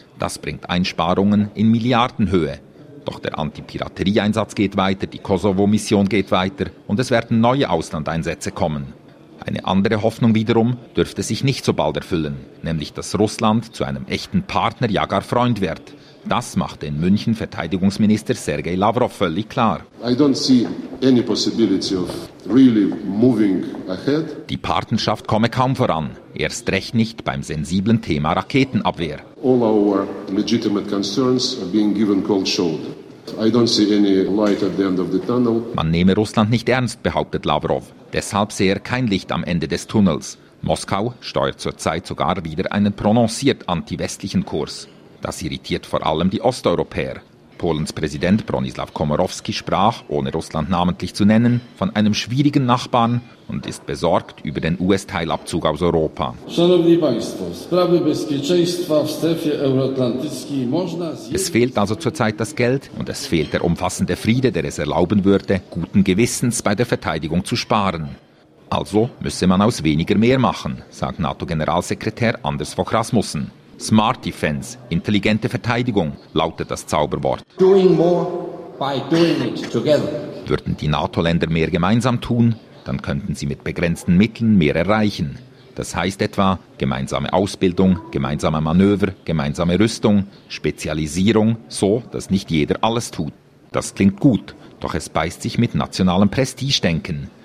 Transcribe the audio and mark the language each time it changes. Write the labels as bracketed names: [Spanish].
[German] Das bringt Einsparungen in Milliardenhöhe. Doch der Antipiraterie-Einsatz geht weiter, die Kosovo-Mission geht weiter und es werden neue Auslandeinsätze kommen. Eine andere Hoffnung wiederum dürfte sich nicht so bald erfüllen, nämlich dass Russland zu einem echten Partner, ja gar Freund wird. Das macht den München Verteidigungsminister Sergei Lavrov völlig klar. [English] I don't see any possibility of really moving ahead. [German] Die Partnerschaft komme kaum voran, erst recht nicht beim sensiblen Thema Raketenabwehr. [English] All our legitimate concerns are being given cold shoulder. I don't see any light at the end of the tunnel. [German] Man nehme Russland nicht ernst, behauptet Lavrov. Deshalb sehe er kein Licht am Ende des Tunnels. Moskau steuert zurzeit sogar wieder einen prononciert anti-westlichen Kurs. Das irritiert vor allem die Osteuropäer. Polens Präsident Bronislaw Komorowski sprach, ohne Russland namentlich zu nennen, von einem schwierigen Nachbarn und ist besorgt über den US-Teilabzug aus Europa. Es fehlt also zurzeit das Geld und es fehlt der umfassende Friede, der es erlauben würde, guten Gewissens bei der Verteidigung zu sparen. Also müsse man aus weniger mehr machen, sagt NATO-Generalsekretär Anders Fogh Rasmussen. Smart Defense, intelligente Verteidigung, lautet das Zauberwort. [English] Doing more by doing it together. [German] Würden die NATO-Länder mehr gemeinsam tun, dann könnten sie mit begrenzten Mitteln mehr erreichen. Das heißt etwa gemeinsame Ausbildung, gemeinsame Manöver, gemeinsame Rüstung, Spezialisierung, so dass nicht jeder alles tut. Das klingt gut, doch es beißt sich mit nationalem Prestigedenken.